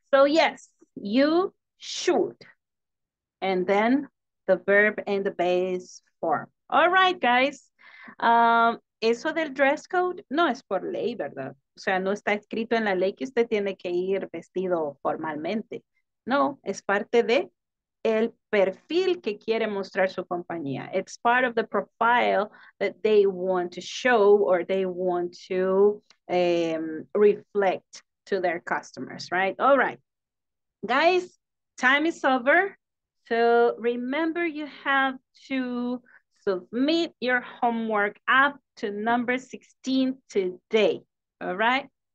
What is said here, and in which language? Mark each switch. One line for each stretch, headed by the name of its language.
English: So yes, you should, and then the verb in the base form. All right, guys.
Spanish: Eso del dress code no es por ley, ¿verdad? O sea, no está escrito en la ley que usted tiene que ir vestido formalmente. No, es parte de el perfil que quiere mostrar su compañía.
English: It's part of the profile that they want to show or they want to reflect to their customers, right? All right. Guys, time is over. So remember you have to submit your homework up to number 16 today, all right?